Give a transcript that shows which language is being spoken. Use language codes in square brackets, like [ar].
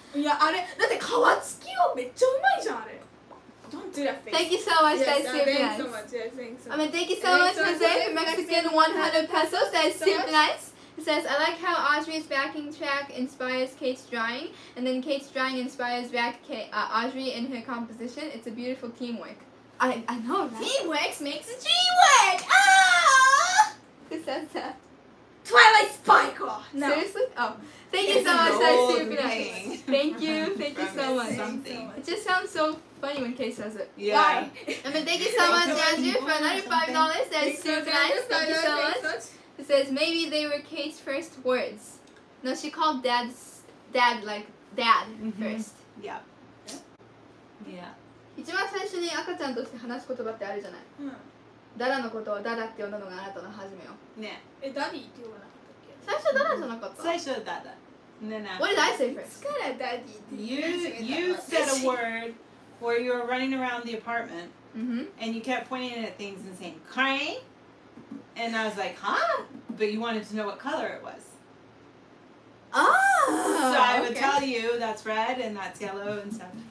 [ja] いや、あれ、だって皮付きはめっちゃうまいじゃん、あれ。 [en] Don't do that face. Thank you so much, that's super nice. Thank you so much, yeah, I mean, thank you so much, Jose, for Mexican 100 pesos, that's super nice. It says, I like how Audrey's backing track inspires Kate's drawing, and then Kate's drawing inspires back Audrey in her composition. It's a beautiful teamwork. I know, right? Teamwork makes a dream work! Ah! Who says that? Twilight Sparkle! No. Seriously? Oh. Thank you so much, that's super nice. Thank you so much. It just sounds so funny when Kay says it. Yeah. I mean, thank you so much, Andrew, for $95. That's super nice. Thank you so much. It says, maybe they were Kay's first words. No, she called dad, like, dad first. Yeah. Yeah. [ja] 一番最初に赤ちゃんとして話す言葉ってあるじゃない? ダダのことをダダって呼んだのがあなたの初めよ。ね。え、ダディって呼ばなかったっけ？最初ダダじゃなかった？最初ダダ。ねね。 [en] What did I say first? [ja] いつからダディって [en] You said a word where you were running around the apartment and you kept pointing at things and saying crane and I was like, huh? But you wanted to know what color it was. Ah. So I would tell you that's red and that's yellow and stuff.